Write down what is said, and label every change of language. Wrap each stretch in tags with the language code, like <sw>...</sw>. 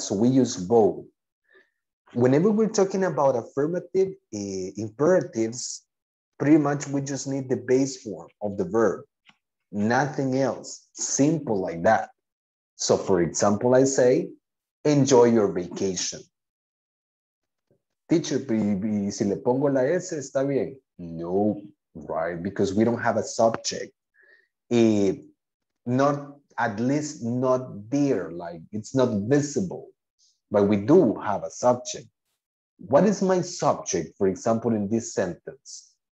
<en>So we use both. Whenever we're talking about affirmative imperatives, pretty much we just need the base form of the verb, nothing else, simple like that. So for example, I say, enjoy your vacation.</en> <es>Teacher, si le pongo la S, está bien.</es> <en>No, right, because we don't have a subject. Not, at least not there, like it's not visible, but we do have a subject. What is my subject, for example, in this sentence?</en>